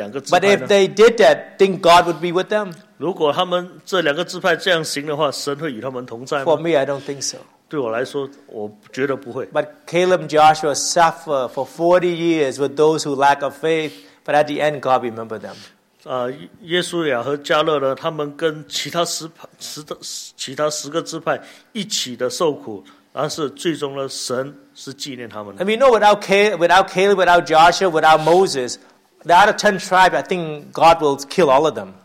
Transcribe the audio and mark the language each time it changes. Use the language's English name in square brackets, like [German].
[English] But if they did that, think God would be with them? For me, I don't think so. [Chinese] 对我来说, [English] but Caleb and Joshua suffer for 40 years with those who lack of faith, but at the end, God remembered them. [Chinese] 耶稣雅和加勒呢,他们跟其他十个支派一起的受苦,但是最终呢,神是纪念他们。 [English] I mean, no, without Caleb, without Joshua, without Moses, the other 10 tribes, I think God will kill all of them.